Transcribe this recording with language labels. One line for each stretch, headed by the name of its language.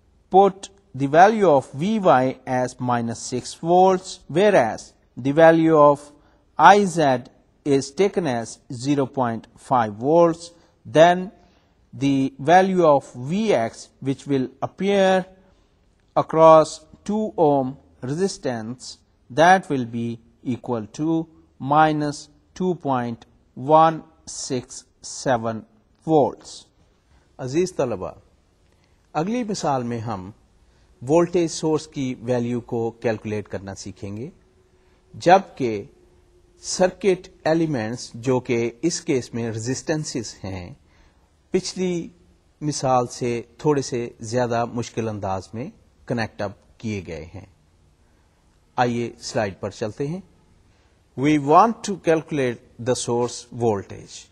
English: put the value of Vy as minus 6 volts, whereas the value of Iz is taken as 0.5 volts, then the value of Vx, which will appear across 2 ohm resistance, that will be equal to minus 2.167 volts.
Urdu: Aziz Talaba, اگلی مثال میں ہم voltage source کی value کو calculate کرنا سیکھیں گے جبکہ سرکٹ ایلیمنٹس جو کہ اس کیس میں ریزسٹنسز ہیں پچھلی مثال سے تھوڑے سے زیادہ مشکل انداز میں کنیکٹ اپ کیے گئے ہیں. آئیے سلائیڈ پر چلتے ہیں.
English: We want to calculate the source voltage.